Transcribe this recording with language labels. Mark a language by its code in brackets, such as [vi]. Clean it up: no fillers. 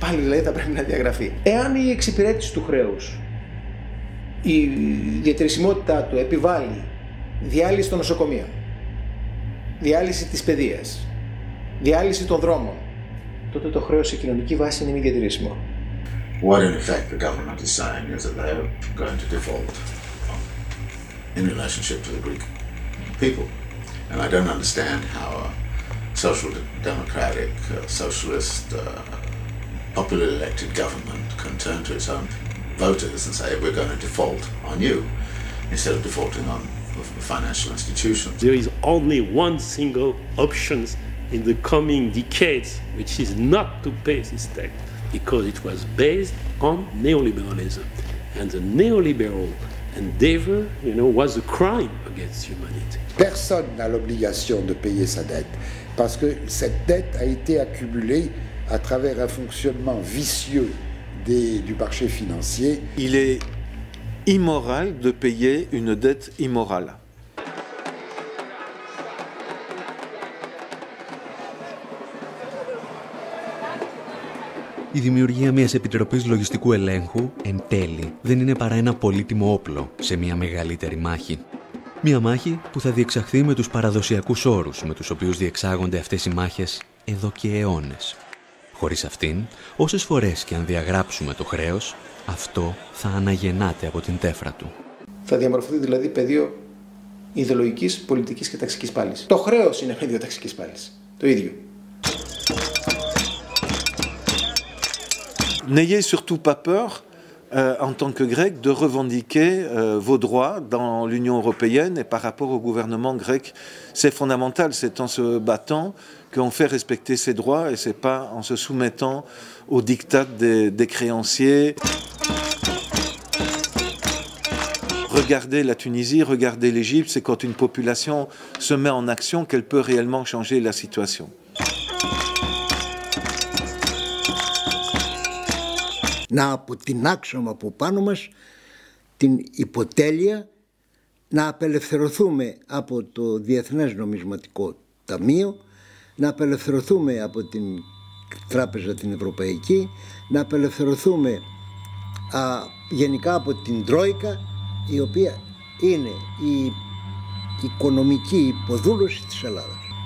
[el] Πάλι δηλαδή θα πρέπει να διαγραφεί. Εάν η εξυπηρέτηση του χρέους, η διατηρησιμότητά του επιβάλλει διάλυση των νοσοκομείων, διάλυση της παιδείας, διάλυση των δρόμων, τότε το χρέος σε κοινωνική βάση είναι μη διατηρήσιμο. [en] What in effect the government is saying is that they are going to default in relationship to the Greek people. And I don't understand how a social democratic, socialist, popularly elected government can turn to its own voters and say we're going to default on you instead of defaulting on the financial institutions. There is only one single option in the coming decades, which is not to pay this tax. Because it was based on neoliberalism. And the neoliberal endeavor, you know, was a crime against humanity. [fr] Personne n'a l'obligation de payer sa dette, parce que cette dette a été accumulée à travers un fonctionnement vicieux du marché financier. Il est immoral de payer une dette immorale. [el] Η δημιουργία μιας Επιτροπής Λογιστικού Ελέγχου, εν τέλει, δεν είναι παρά ένα πολύτιμο όπλο σε μια μεγαλύτερη μάχη. Μια μάχη που θα διεξαχθεί με τους παραδοσιακούς όρους με τους οποίους διεξάγονται αυτές οι μάχες εδώ και αιώνες. Χωρίς αυτήν, όσες φορές και αν διαγράψουμε το χρέος, αυτό θα αναγεννάται από την τέφρα του. Θα διαμορφωθεί δηλαδή πεδίο ιδεολογικής, πολιτικής και ταξικής πάλης. Το χρέος είναι πεδίο ταξικής πάλης. Το ίδιο. [fr] N'ayez surtout pas peur, en tant que Grec, de revendiquer vos droits dans l'Union européenne et par rapport au gouvernement grec. C'est fondamental, c'est en se battant qu'on fait respecter ses droits et c'est pas en se soumettant aux diktats des créanciers. Regardez la Tunisie, regardez l'Égypte, c'est quand une population se met en action qu'elle peut réellement changer la situation. [el] Να αποτινάξουμε από πάνω μας την υποτέλεια, να απελευθερωθούμε από το Διεθνές Νομισματικό Ταμείο, να απελευθερωθούμε από την Τράπεζα την Ευρωπαϊκή, να απελευθερωθούμε γενικά από την Τρόικα, η οποία είναι η οικονομική υποδούλωση της Ελλάδας.